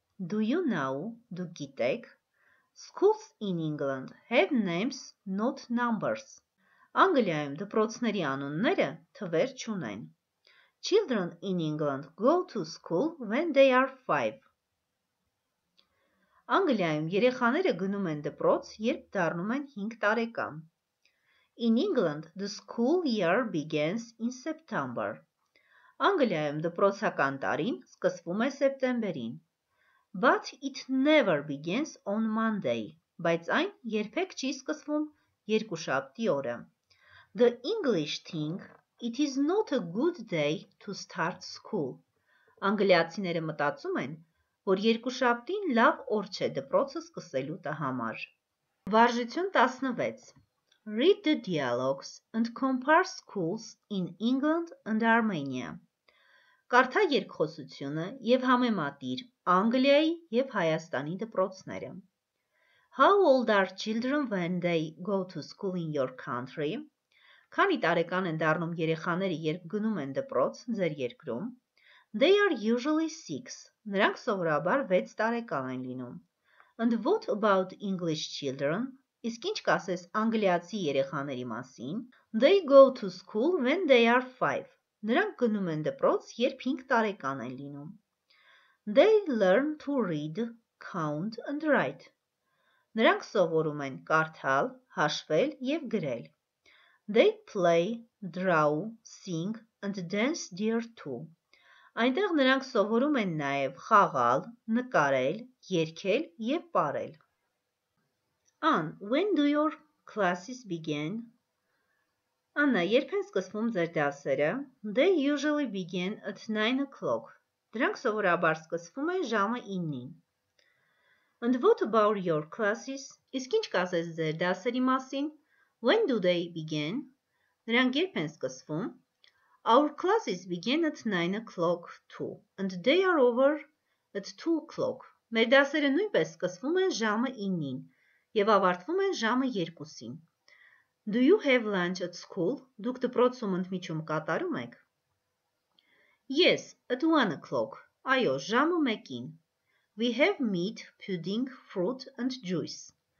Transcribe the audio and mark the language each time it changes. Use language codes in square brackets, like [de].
[en] Do you know, [hy] դու գիտեք, [en] schools in England have names, not numbers. [hy] Անգլիայում դպրոցների անունները թվեր չունեն. [en] Children in England go to school when they are 5. [hy] Անգլիայում երեխաները գնում են դպրոց, երբ դառնում են 5 տարեկան. [en] In England, the school year begins in September. [hy] Անգլիայում դպրոցական տարին սկսվում է սեպտեմբերին. [en] But it never begins on Monday. [hy] Բայց այն երբեք չի սկսվում երկուշաբթի օրը. [en] The English think it is not a good day to start school. [hy] Անգլիացիները մտածում են, որ երկուշաբթին լավ օր չէ դպրոցը սկսելու տա համար։ Վարժություն 16. [en] Read the dialogues and compare schools in England and Armenia. [hy] Կարդա երկխոսությունը և համեմատիր Անգլիայի և Հայաստանի դպրոցները։ [en] How old are children when they go to school in your country? [hy] Քանի տարեկան են դառնում երեխաները, երբ գնում են դպրոց ձեր երկրում? [en] They are usually 6. [hy] Նրանք սովորաբար 6 տարեկան են լինում. [en] And what about English children? [hy] Իսկ ինչ կասես անգլիացի երեխաների մասին? [en] They go to school when they are 5. [hy] Նրանք գնում են դպրոց, երբ 5 տարեկան են լինում. [en] They learn to read, count and write. [hy] Նրանք սովորում են կարդալ, հաշվել և գրել. [en] They play, draw, sing and dance there too. [hy] Այնտեղ նրանք սովորում են նաև խաղալ, նկարել, երգել և պարել. [en] Ան, when do your classes begin? [hy] Աննա, երբ են սկսվում ձեր դասերը? [en] They usually begin at 9 o'clock. [hy] Դրանք սովորաբար սկսվում են ժամը 9-ին. [en] And what about your classes? [hy] Իսկ ինչ կասես ձեր դասերի մասին? [en] When do they begin? [hy] Նրանք երբ են սկսվում? [en] Our classes begin at 9 o'clock too, and they are over at 2 o'clock. [hy] Մեր դասերը նույնպես սկսվում են ժամը 9-ին և ավարտվում են ժամը 2-ին. [en] Do you have lunch at school? [hy] Դուք դպրոցում ընդմիջում կատարում եք? [en] Yes, at 1 o'clock. [hy] Այո, ժամը 1-ին. [en] We have meat, pudding, fruit and juice.